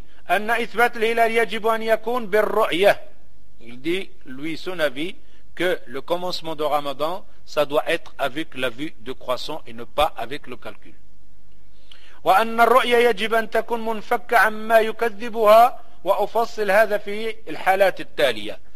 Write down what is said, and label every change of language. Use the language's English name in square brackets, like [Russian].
[Arabic] أن إثبات الهلال يجب أن يكون بالرؤية. [French] Il dit, lui, son avis, que le commencement de Ramadan, ça doit être avec la vue de croissant et ne pas avec le calcul. [Arabic] وأن الرؤية يجب أن تكون منفكة عما يكذبها وأفصل هذا في الحالات التالية.